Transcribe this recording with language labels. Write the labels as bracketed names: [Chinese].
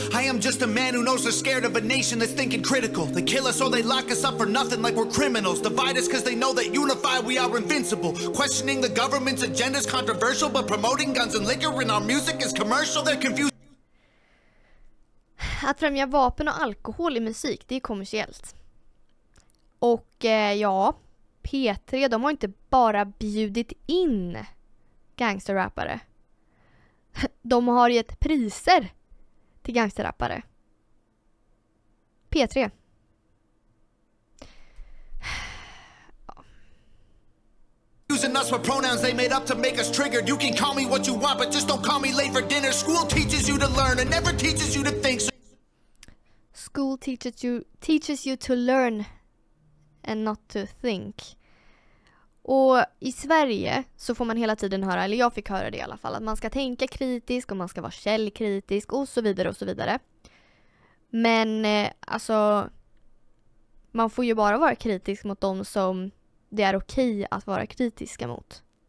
[English] I am just a man who knows they're scared of a nation that's thinking critical. They kill us or they lock us up for nothing like we're criminals. Divide us because they know that unified we are invincible. Questioning the government's agenda is controversial, but promoting guns and liquor in our music is commercial. They're confused. [Swedish] Att främja vapen och alkohol i musik, det är kommersiellt. Och ja, P3, de har inte bara bjudit in gangsterrappare. De har gett priser till gangsterrappare. P3. [English] Using us for pronouns they made up to make us triggered. You can call me what you want, but just don't call me late for dinner. School teaches you to learn and never teaches you to think. School teaches you to learn and not to think. [Swedish] Och i Sverige så får man hela tiden höra, eller jag fick höra det i alla fall, att man ska tänka kritiskt och man ska vara källkritisk och så vidare och så vidare. Men alltså, man får ju bara vara kritisk mot dem som det är okej att vara kritiska mot.